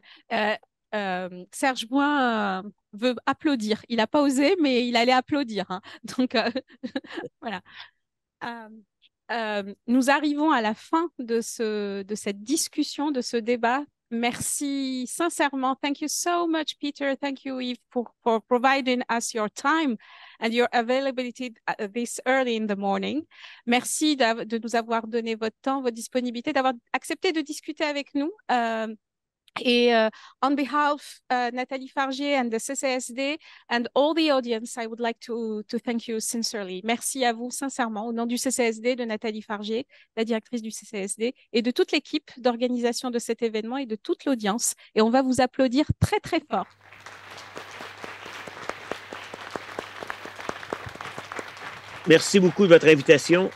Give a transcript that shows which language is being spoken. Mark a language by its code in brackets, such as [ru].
[fr] Serge Boin veut applaudir. Il n'a pas osé, mais il allait applaudir. Hein. Donc, voilà. Nous arrivons à la fin de cette discussion, de ce débat. Merci sincèrement. [en] Thank you so much, Peter. Thank you, Eve, for providing us your time and your availability this early in the morning. [fr] Merci de nous avoir donné votre temps, votre disponibilité, d'avoir accepté de discuter avec nous. [en] And on behalf of Nathalie Fargier and the CCSD and all the audience, I would like to thank you sincerely. [fr] Merci à vous sincèrement au nom du CCSD, de Nathalie Fargier, la directrice du CCSD, et de toute l'équipe d'organisation de cet événement et de toute l'audience. Et on va vous applaudir très, très fort. Merci beaucoup de votre invitation.